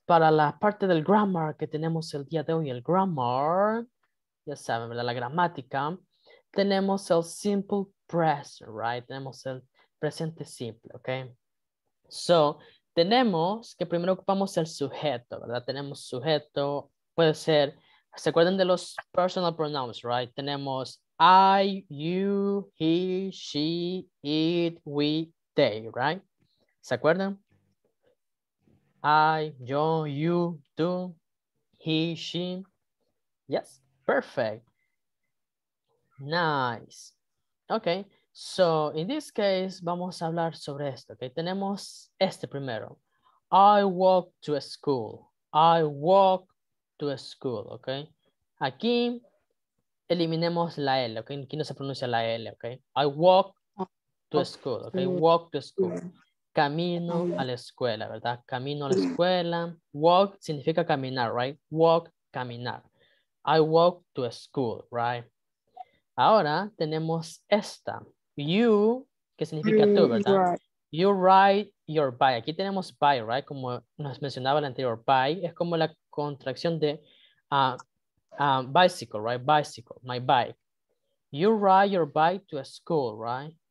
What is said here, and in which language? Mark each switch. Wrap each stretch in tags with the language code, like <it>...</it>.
<es>Para la parte del grammar que tenemos el día de hoy, el grammar, ya saben, ¿verdad? La gramática, tenemos el</es> <en>simple present, right?</en> <es>Tenemos el presente simple, okay? So, tenemos que primero ocupamos el sujeto, ¿verdad? Tenemos sujeto, puede ser, ¿se acuerdan de los</es> <en>personal pronouns, right? Tenemos I, you, he, she, it, we, they, right?</en> <es>¿Se acuerdan? I, yo, you, tú, he, she.</es> <en>Yes, perfect. Nice. Okay, so in this case</en> <es>vamos a hablar sobre esto,</es> <en>okay?</en> <es>Tenemos este primero.</es> <en>I walk to a school. I walk to a school, ¿ok?</en> <es>Aquí eliminemos la L,</es> <en>¿ok?</en> <es>Aquí no se pronuncia la L,</es> <en>¿ok? I walk to a school, ¿ok? Walk to school.</en> <es>Camino a la escuela, ¿verdad? Camino a la escuela.</es> <en>Walk</en> <es>significa caminar,</es> <en>¿right? Walk,</en> <es>caminar.</es> <en>I walk to a school, ¿right?</en> <es>Ahora tenemos esta. You, que significa tú, ¿verdad?</es> <en>You ride your bike.</en> <es>Aquí tenemos</es> <en>bike, right?</en> <es>Como nos mencionaba el anterior, bike es como la contracción de bicycle, right?</es> <en>Bicycle, my bike. You ride your bike to a school, right?</en>